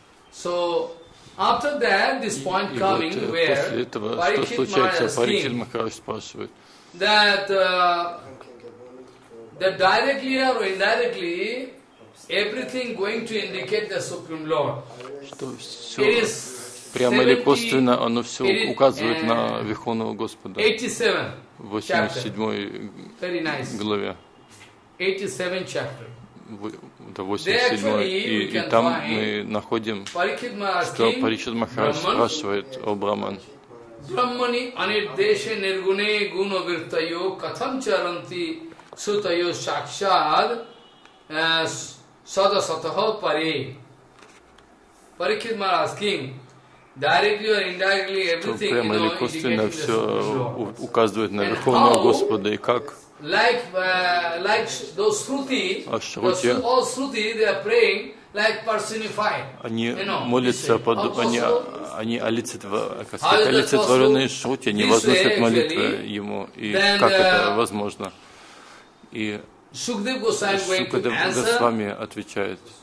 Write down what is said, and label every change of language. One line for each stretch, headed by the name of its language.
English: So, after that, this point coming, where Parikshit Maharaj asking, that, that directly or indirectly, everything going to indicate the Supreme Lord.
Russian: Что все прямо или косвенно, оно все указывает на Верховного Господа. 87 главе.
English: 87 chapter.
Russian: Да, 87. И там мы находим, что Парикшит Махарадж спрашивает о Брахман.
Sanskrit: Брахмани анирдеше ниргуне гуна виртайо катам чаранти сутайо шакшад сада сатаха паре.
English: Parikshit Maharaj asking, directly or indirectly, everything, you know, indicates the Supreme Lord. And how? Like those Shruti, those all Shruti, they are praying like personified.
Russian: Они молятся под, они олицетворенные Шрути, они возносят молитвы ему, и как это возможно? И Шукдев Госвами отвечает.